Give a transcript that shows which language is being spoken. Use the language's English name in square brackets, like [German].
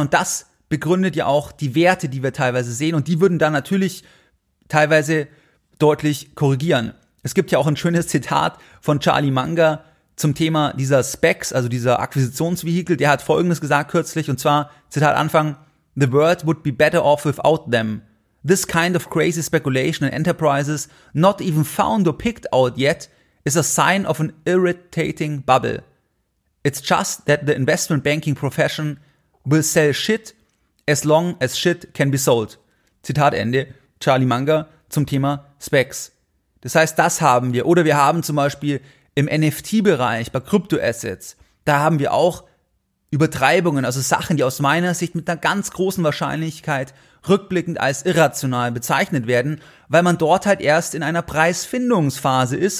[German] Und das begründet ja auch die Werte, die wir teilweise sehen. Und die würden dann natürlich teilweise deutlich korrigieren. Es gibt ja auch ein schönes Zitat von Charlie Munger zum Thema dieser Specs, also dieser Akquisitionsvehikel. Der hat Folgendes gesagt kürzlich, und zwar, Zitat Anfang, [English] "The world would be better off without them. This kind of crazy speculation in enterprises, not even found or picked out yet, is a sign of an irritating bubble. It's just that the investment banking profession will sell shit as long as shit can be sold." [German] Zitat Ende, Charlie Munger zum Thema Specs. Das heißt, das haben wir. Oder wir haben zum Beispiel im NFT-Bereich bei Kryptoassets, da haben wir auch Übertreibungen, also Sachen, die aus meiner Sicht mit einer ganz großen Wahrscheinlichkeit rückblickend als irrational bezeichnet werden, weil man dort halt erst in einer Preisfindungsphase ist.